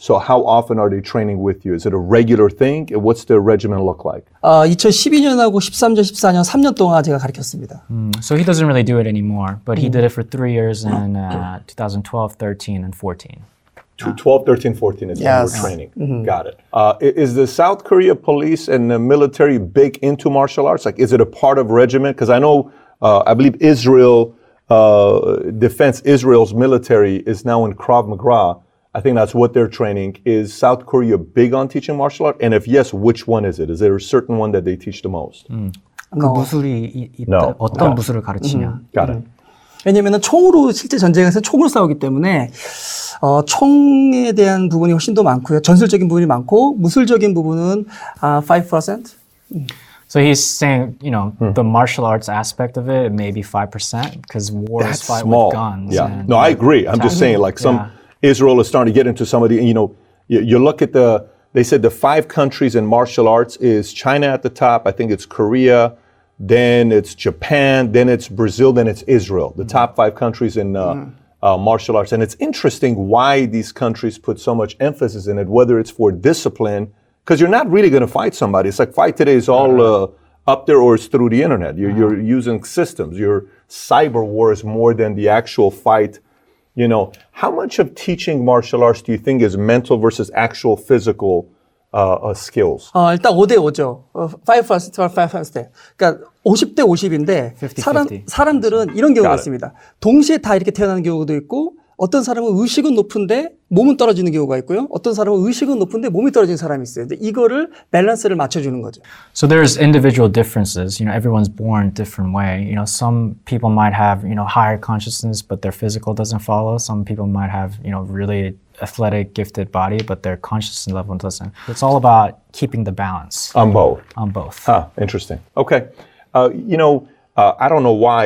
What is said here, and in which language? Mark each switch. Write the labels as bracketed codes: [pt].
[en] So how often are they training with you? Is it a regular thing? What's their regimen look like? [ko] 2012년하고 13년, 14년, 3년 동안 제가 가르쳤습니다. [en] So he doesn't really do it anymore, but he did it for 3 years in 2012, 13, and 14. 12, 13, 14 is when we're training. Mm-hmm. Got it. Is the South Korea police and the military big into martial arts? Like, is it a part of regiment? Because I know, I believe Israel's military is now in Krav Maga. I think that's what they're training. Is South Korea big on teaching martial art? And if yes, which one is it? Is there a certain one that they teach the most? No. [ko] 어떤 무술을 가르치냐? [en] Got it. [ko] 왜냐면은 총으로 실제 전쟁에서 총으로 싸우기 때문에 총에 대한 부분이 훨씬 더 많고요. 전술적인 부분이 많고 무술적인 부분은 5%. [en] So he's saying, you know, the martial arts aspect of it maybe 5% because war That's is fight small. With guns. Yeah. No, I agree. I'm just saying like some Israel is starting to get into some of the, you know, you look at they said the five countries in martial arts is China at the top. I think it's Korea. Then it's Japan, then it's Brazil, then it's Israel, the top five countries in martial arts. And it's interesting why these countries put so much emphasis in it, whether it's for discipline, because you're not really going to fight somebody. It's like fight today is all up there or it's through the internet. You're using systems. Your cyber war is more than the actual fight. You know, how much of teaching martial arts do you think is mental versus actual physical? Skills. [ko] 일단 5대5죠. 5% or 5%. 그러니까 50대 50인데 사람들은 이런 경우가 있습니다. 동시에 다 이렇게 태어나는 경우도 있고 어떤 사람은 의식은 높은데 몸은 떨어지는 경우가 있고요. 어떤 사람은 의식은 높은데 몸이 떨어지는 사람이 있어요. 근데 이거를 밸런스를 맞춰주는 거죠. [en] So there's individual differences. You know, everyone's born different way. You know, some people might have, you know, higher consciousness, but their physical doesn't follow. Some people might have, you know, really athletic, gifted body, but their consciousness level doesn't. It's all about keeping the balance. On both. Huh, interesting. Okay. You know, I don't know why.